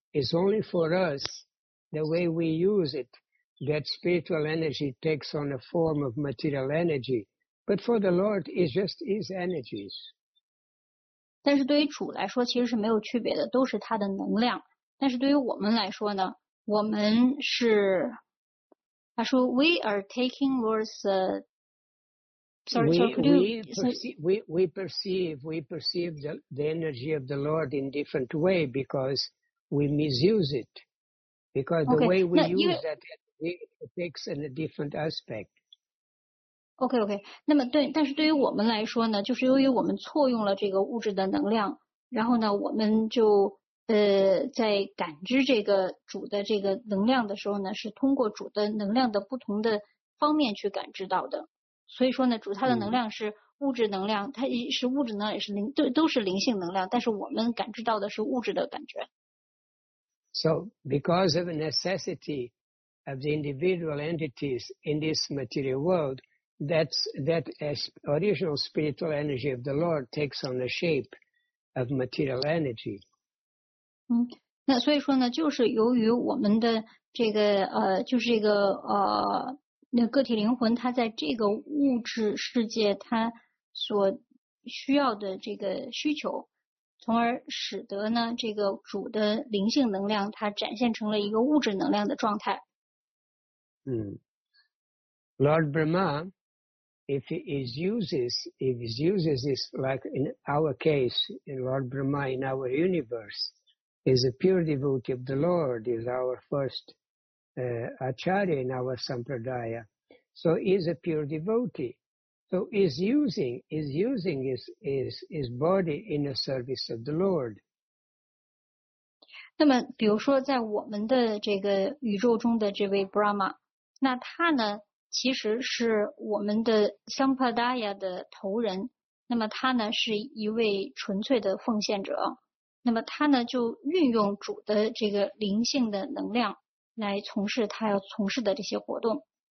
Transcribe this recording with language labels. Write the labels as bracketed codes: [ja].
[en] It's only for us, the way we use it, that spiritual energy takes on a form of material energy. But for the Lord, it's just his energies. [zh] 但是对于主来说其实是没有区别的，都是他的能量。但是对于我们来说呢，我们是他说 ， [en] we are taking Lord's we perceive the energy of the Lord in different way because we misuse it because the okay, way we use that it takes in a different aspect. Okay. [zh] 那么对，但是对于我们来说呢，就是由于我们错用了这个物质的能量，然后呢，我们就在感知这个主的这个能量的时候呢，是通过主的能量的不同的方面去感知到的。所以说呢，主他的能量是物质能量，它是物质能量，也是灵，都是灵性能量，但是我们感知到的是物质的感觉。 [en] So, because of the necessity of the individual entities in this material world, that original spiritual energy of the Lord takes on the shape of material energy. [zh] 那所以说呢，就是由于我们的这个就是这个那个体灵魂，它在这个物质世界，它所需要的这个需求，从而使得呢这个主的灵性能量它展现成了一个物质能量的状态。 [en] Lord Brahma, if he uses this, like in our case, in Lord Brahma in our universe, is a pure devotee of the Lord, is our first acharya in our sampradaya, so is a pure devotee. So is using his body in the service of the Lord. [zh] 那么比如说在我们的这个宇宙中的这位 Brahma, 那他呢其实是我们的 Sampradaya 的头人，那么他呢是一位纯粹的奉献者，那么他呢就运用主的这个灵性的能量来从事他要从事的这些活动。